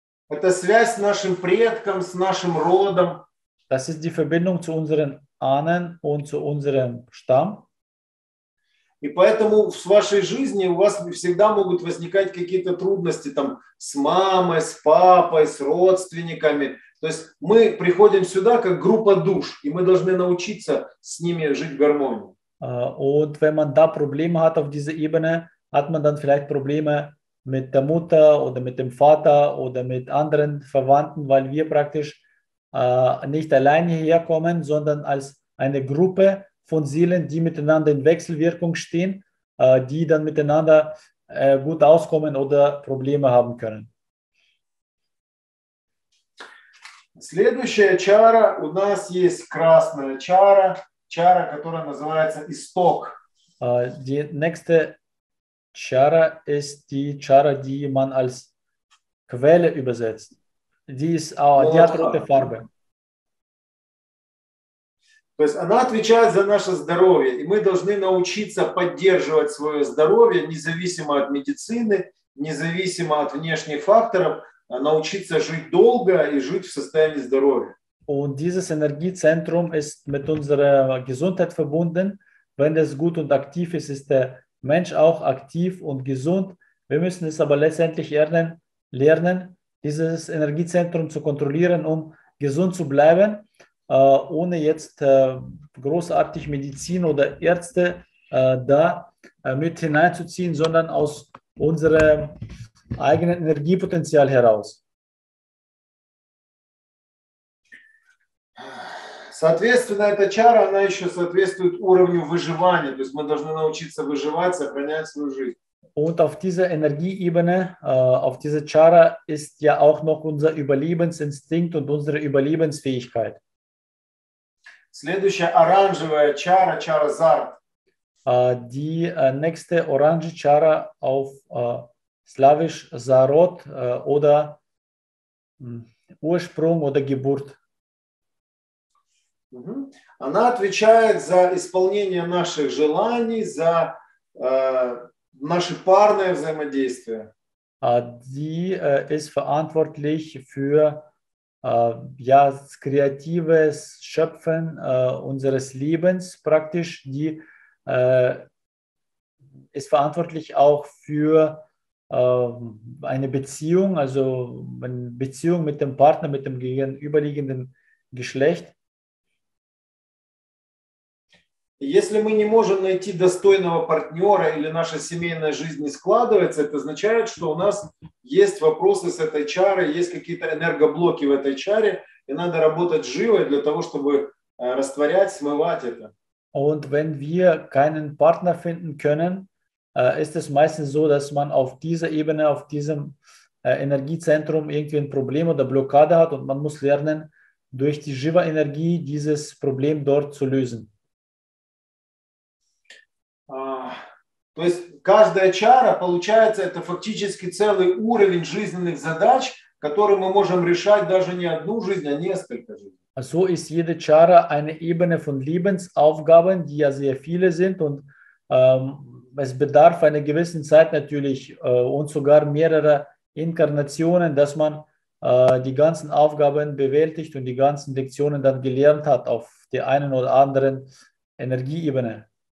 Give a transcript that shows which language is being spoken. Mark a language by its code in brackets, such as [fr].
[ru] Это связь с нашим предком, с нашим родом. [de] Das ist die Verbindung zu unseren Ahnen und zu unserem Stamm. [ru] И поэтому в вашей жизни у вас всегда могут возникать какие-то трудности там с мамой, с папой, с родственниками. То есть мы приходим сюда как группа душ, и мы должны научиться с ними жить в гармонии. [de] Und wenn man da Probleme hat auf dieser Ebene, hat man dann vielleicht Probleme mit der Mutter oder mit dem Vater oder mit anderen Verwandten, weil wir praktisch nicht alleine hierher kommen, sondern als eine Gruppe von Seelen, die miteinander in Wechselwirkung stehen, die dann miteinander gut auskommen oder Probleme haben können. [ru] Следующая чара у нас есть красная чара, чара, которая называется исток. [de] Die nächste Chara ist die Chara, die man als Quelle übersetzt. Die ist, die hat rote Farbe. [ru] То есть она отвечает за наше здоровье, и мы должны научиться поддерживать свое здоровье, независимо от медицины, независимо от внешних факторов, научиться жить долго и жить в состоянии здоровья. [de] Und dieses Energiezentrum ist mit unserer Gesundheit verbunden. Wenn es gut und aktiv ist, ist der Mensch auch aktiv und gesund. Wir müssen es aber letztendlich lernen, dieses Energiezentrum zu kontrollieren, um gesund zu bleiben, ohne jetzt großartig Medizin oder Ärzte da mit hineinzuziehen, sondern aus unserem eigenen Energiepotenzial heraus. [ru] Соответственно, эта чара, она еще соответствует уровню выживания. То есть мы должны научиться выживать, сохранять свою жизнь. [de] Und auf dieser Energieebene, auf dieser Chara ist ja auch noch unser Überlebensinstinkt und unsere Überlebensfähigkeit. [ru] Следующая оранжевая чара, чара Зарт. [de] Die nächste orange Chara auf Slavisch Zarot oder Ursprung oder Geburt. [ru] Она отвечает за исполнение наших желаний, за наше парное взаимодействие. [de] Die ist verantwortlich für ja, das kreative Schöpfen unseres Lebens praktisch. Die ist verantwortlich auch für eine Beziehung, also eine Beziehung mit dem Partner, mit dem gegenüberliegenden Geschlecht. [ru] Если мы не можем найти достойного партнера или наша семейная жизнь не складывается, это означает, что у нас есть вопросы с этой чарой, есть какие-то энергоблоки в этой чаре, и надо работать живо для того, чтобы растворять, смывать это. [de] Und wenn wir keinen Partner finden können, ist es meistens so, dass man auf dieser Ebene, auf diesem Energiezentrum irgendwie ein Problem oder Blockade hat und man muss lernen, durch die Shiva-Energie dieses Problem dort zu lösen. [ru] То есть каждая чара, получается, это фактически целый уровень жизненных задач, которые мы можем решать даже не одну жизнь, а несколько жизней. [de] So ist jede Chara eine Ebene von Lebensaufgaben, die ja sehr viele sind und es bedarf einer gewissen Zeit natürlich und sogar mehrerer Inkarnationen, dass man die ganzen Aufgaben bewältigt und die ganzen Lektionen dann gelernt hat auf der einen oder anderen Energieebene.